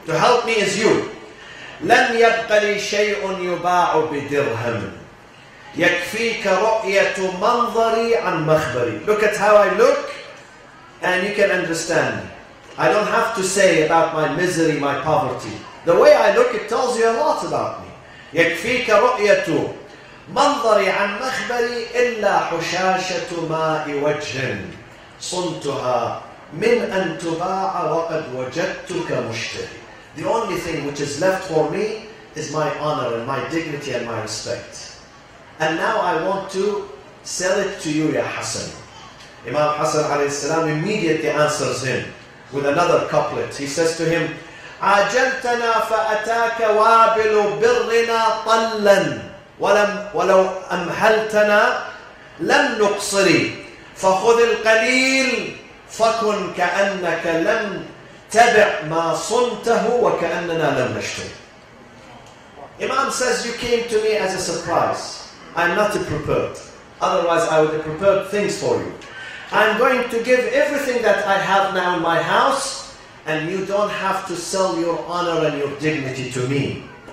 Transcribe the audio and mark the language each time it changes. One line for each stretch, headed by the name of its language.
English: To help me is you.
Arabic: لَنْ يَبْقَ لِي شَيْءٌ يُبَاعُ بِدِرْهَمٍ يَكْفِيكَ رُؤْيَةُ مَنْظَرِي عَنْ مَخْبَرِي.
English: Look at how I look. And you can understand, I don't have to say about my misery, my poverty. The way I look, it tells you a lot about me.
Arabic: يكفيك رؤيته منظري عن مخبري إلا حشاشة ماء وجه صنتها من أن تباع وقد وجدتك مشتري.
English: The only thing which is left for me is my honor and my dignity and my respect. And now I want to sell it to you, Ya Hassan. Imam Hassan alayhi salam immediately answers him with another couplet. He says to him,
Arabic: عاجلتنا فأتاك وابل برنا طلا ولو أمهلتنا لم نقصري فخذ القليل فكن كأنك لم تبع ما صنته وكأننا لم نشتري.
English: Imam says, you came to me as a surprise. I'm not a prepared. Otherwise, I would have prepared things for you. I'm going to give everything that I have now in my house, and you don't have to sell your honor and your dignity to me.